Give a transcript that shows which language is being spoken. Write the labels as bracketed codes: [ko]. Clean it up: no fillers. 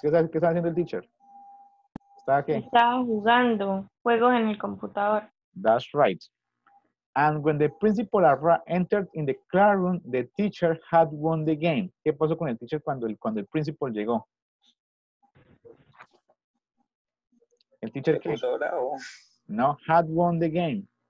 [es] ¿Qué estaba haciendo el teacher? ¿Estaba qué? Estaba jugando juegos en el computador. [en] That's right. And when the principal entered in the classroom, the teacher had won the game. [es] ¿Qué pasó con el teacher cuando el principal llegó? El teacher que no [en] had won the game.